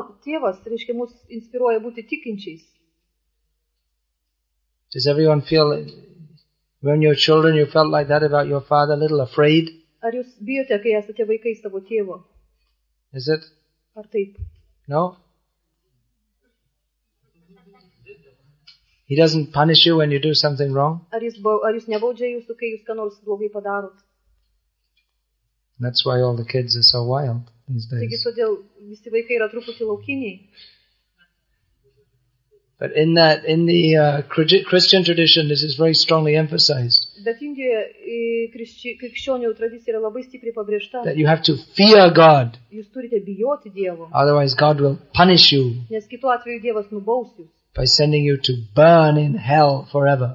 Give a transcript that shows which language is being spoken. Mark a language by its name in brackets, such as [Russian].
[Lithuanian] Tėvas, reiškia, mus inspiruoja būti tikinčiais. [English] Does everyone feel When your children, you felt like that about your father, a little afraid? [Lithuanian] Ar jūs bijote, kai esate vaikai savo tėvo? [English] Is it? [Lithuanian] Ar taip? [English] No? He doesn't punish you when you do something wrong? [Lithuanian] Ar jūs nebaudžia jūsų, kai jūs ką nors blogai padarot? [English] That's why all the kids are so wild these days. [Lithuanian] Taigi, todėl visi vaikai yra truputį laukiniai. [English] But in that, in the Christian tradition, this is very strongly emphasized. [Lithuanian] Bet Indijoje krikščionių tradicija yra labai stipriai pabrėžta. [English] That you have to fear God. [Lithuanian] Jūs turite bijoti Dievo. [English] Otherwise, God will punish you. [Lithuanian] Nes kitu atveju Dievas nubaus jus. [English] By sending you to burn in hell forever.